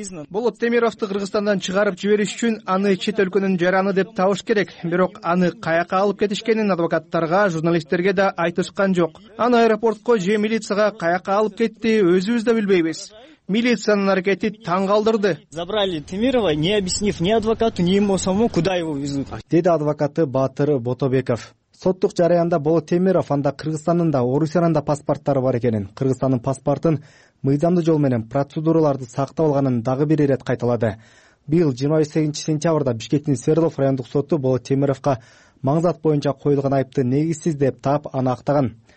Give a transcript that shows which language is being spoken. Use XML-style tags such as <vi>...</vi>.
<ky>Болот Темировду Кыргызстандан чыгарып жибериш үчүн аны чет өлкөнүн жараны деп табыш керек. Бирок аны каяка алып кетишкенин адвокаттарга, журналисттерге да айтышкан жок. Аны аэропортко же милицияга каяка алып кетти, өзүбүз да билбейбиз. Милициянын аракети таң калдырды.</ky> <ru>Забрали Темирова, не объяснив ни адвокату, ни ему самому, куда его везут.</ru> <ky>Деди адвокаты Баатыр Ботобеков. Соттук жараянда Болот Темиров анда Кыргызстандын да Орусиянын да паспорттору бар экенин, Кыргызстандын паспортун мыйзамдуу жол менен процедураларды сактап алганын дагы бир ирет кайталады. Быйыл 28 сентябрда Бишкектин Свердлов райондук соту Болот Темировго маңзат боюнча коюлган айыпты негизсиз деп таап, аны актаган.</ky>